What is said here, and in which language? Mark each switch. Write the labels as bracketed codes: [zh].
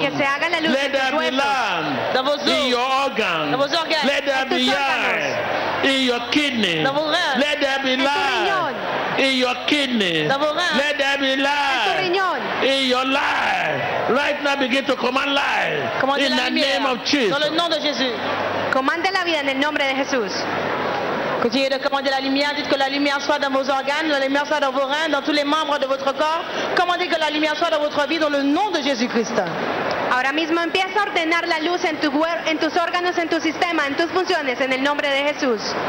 [en] Let there be light. In your organ. Let there be light. In your kidney. Let there be light. In your kidney. Let there be light. In your life. Right now begin to command light. In the name of Jesus. [es] Commande la vida en el nombre de Jesús. [fr] Continuez de commander la lumière, dites que la lumière soit dans vos organes, la lumière soit dans vos reins, dans tous les membres de votre corps. Commandez que la lumière soit dans votre vie dans le nom de Jésus-Christ. [es] Ahora mismo empieza a ordenar la luz en tus órganos, en tu sistema, en tus funciones, en el nombre de Jesús.